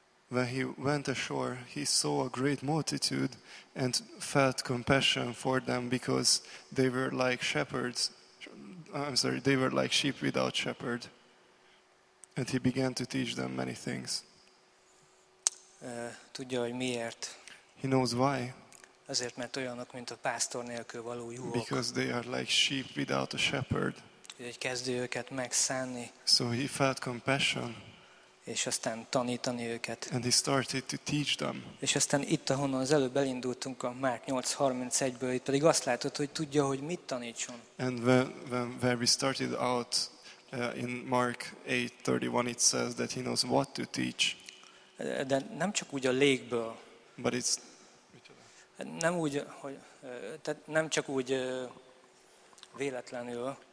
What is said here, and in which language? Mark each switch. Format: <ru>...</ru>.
<en>When he went ashore, he saw a great multitude and felt compassion for them because they were like shepherds. I'm sorry, they were like sheep without shepherd. And he began to teach them many things.</en> <hu>tudja, hogy miért.</hu> <en>He knows why.</en> <hu>Azért, mert olyanok, mint a pásztor nélkül való juhok.</hu> <en>Because they are like sheep without a shepherd.</en> <hu>Úgyhogy kezdi őket megszánni.</hu> <en>So he felt compassion.</en> <hu>És aztán tanítani őket.</hu> <en>And he started to teach them.</en> <hu>És aztán itt, ahonnan az előbb elindultunk a Márk 8:31-ből, itt pedig azt látod, hogy tudja, hogy mit tanítson.</hu> <en>And when where we started out in Mark 8:31, it says that he knows what to teach.</en> <hu>De nem csak úgy a légből.</hu> <en>But it's</en> <hu>nem úgy, hogy tehát nem csak úgy véletlenül.</hu>